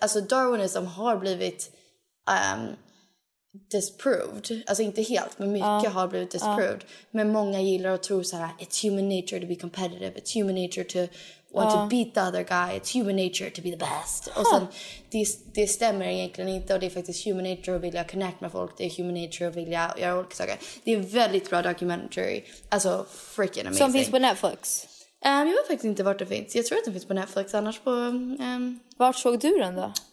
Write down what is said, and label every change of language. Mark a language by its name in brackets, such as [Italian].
[Swedish] Darwinism har blivit disproved. Alltså inte helt, men mycket har blivit disproved. Men många gillar att tro såhär, [English] it's human nature to be competitive, it's human nature to want to beat the other guy, it's human nature to be the best. [Swedish] Och sen, det stämmer egentligen inte, och det är faktiskt [English] human nature [Swedish] att vilja connect med folk, det är human nature att vilja göra olika saker. Det är en väldigt bra documentary. Alltså, [English] freaking amazing. [Swedish] Som finns på Netflix? Jag vet faktiskt inte vart det finns. Jag tror att det finns på Netflix, annars på... Vart såg du den då?